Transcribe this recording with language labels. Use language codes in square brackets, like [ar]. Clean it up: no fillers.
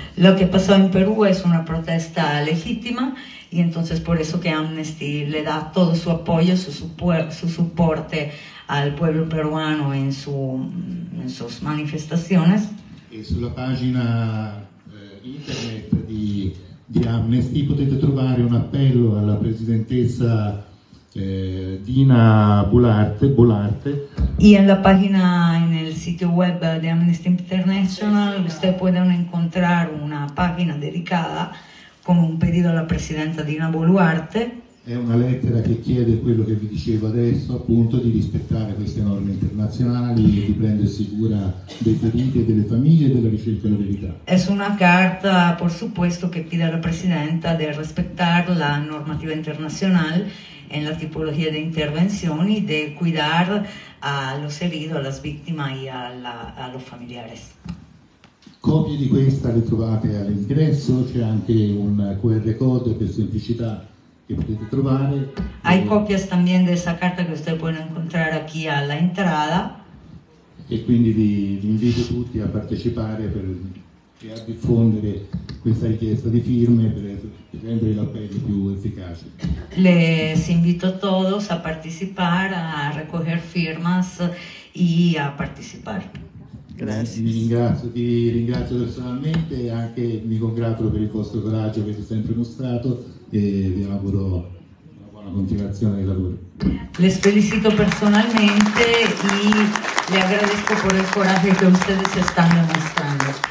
[it] Lo che è passato in Perù è una protesta legittima, e [es] entonces por eso que Amnesty le da todo su apoyo, su supporto al pueblo peruano en sus manifestaciones. [it] E sulla pagina internet di Amnesty potete trovare un appello alla presidentessa Dina Boluarte. [es] Y en la página, en el sitio web de Amnesty International, usted puede encontrar una página dedicada con un pedido alla presidenta Dina Boluarte. [it] È una lettera che chiede quello che vi dicevo adesso, appunto, di rispettare queste norme internazionali e di prendersi cura dei feriti e delle famiglie e della ricerca della verità. È su una carta, per supposto, che chiede alla presidenta di rispettare la normativa internazionale e la tipologia di intervenzioni, di [es] cuidar a los heridos, a las víctimas y a los familiares. [it] Copie di questa le trovate all'ingresso, c'è anche un QR code per semplicità che potete trovare. [es] Hay copias también de esa carta que usted puede encontrar aquí a la entrada. [it] E quindi vi invito tutti a partecipare e a diffondere questa richiesta di firme per rendere l'appello più efficace. [es] Les invito a todos a participar, a recoger firmas y a participar. [it] Grazie. Ti ringrazio personalmente e anche mi congratulo per il vostro coraggio che avete sempre mostrato e vi auguro una buona continuazione del lavoro. [es] Les felicito personalmente y le agradezco por el coraje que ustedes están demostrando.